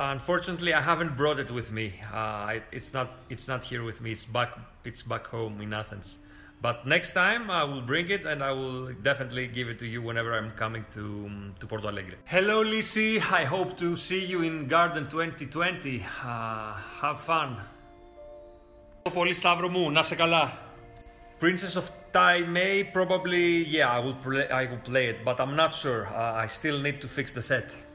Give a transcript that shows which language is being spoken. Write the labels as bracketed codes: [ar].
[en] Unfortunately, I haven't brought it with me. It's not here with me. It's back home in Athens. But next time I will bring it, and I will definitely give it to you whenever I'm coming to Porto Alegre. Hello, Lisi. I hope to see you in Garden 2020. Have fun. [el] Πολύ Σταύρο μου, να σε καλά. [en] Princess of Tai Mei, probably, yeah, I will play it, but I'm not sure. I still need to fix the set.